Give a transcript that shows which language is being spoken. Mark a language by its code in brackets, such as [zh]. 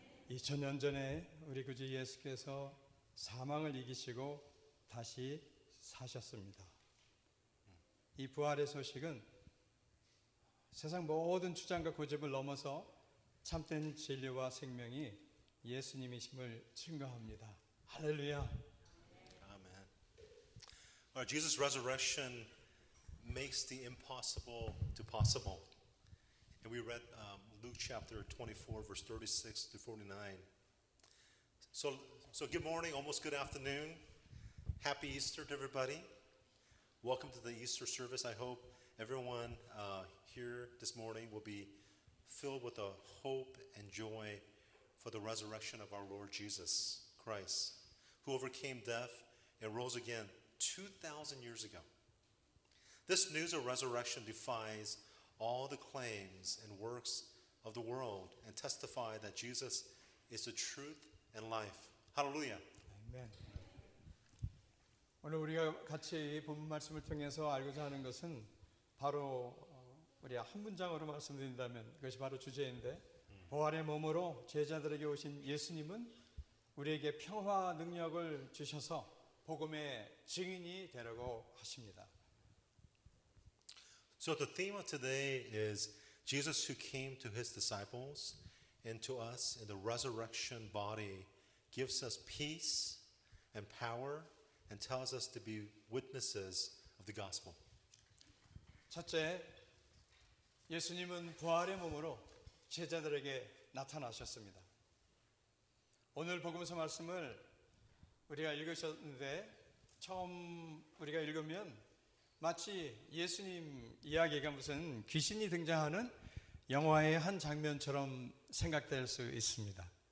[ko] 2000년 전에 우리 구주 예수께서 사망을 이기시고 다시 사셨습니다. 이 부활의 소식은 세상 모든 주장과 고집을 넘어서 참된 진리와 생명이 예수님이심을 증거합니다. 할렐루야. [en] Amen. Our Jesus' resurrection makes the impossible to possible. And we read Luke chapter 24, verse 36 to 49. So good morning, almost good afternoon. Happy Easter to everybody. Welcome to the Easter service. I hope everyone here this morning will be filled with the hope and joy for the resurrection of our Lord Jesus Christ, who overcame death and rose again 2,000 years ago. This news of resurrection defies all the claims and works of the world and testify that Jesus is the truth and life. Hallelujah. Amen. [ko] 오늘 우리가 같이 본 말씀을 통해서 알고자 하는 것은 바로 우리 한 문장으로 말씀드린다면 그것이 바로 주제인데 부활의 몸으로 제자들에게 오신 예수님은 우리에게 평화 능력을 주셔서 복음의 증인이 되라고 하십니다. [en] So the theme of today is Jesus who came to his disciples and to us in the resurrection body gives us peace and power and tells us to be witnesses of the gospel. [ko] 첫째, 예수님은 부활의 몸으로 제자들에게 나타나셨습니다. 오늘 복음서 말씀을 우리가 읽으셨는데 처음 우리가 읽으면 마치 예수님 이야기가 무슨 귀신이 등장하는 영화의 한 장면처럼 생각될 수 있습니다.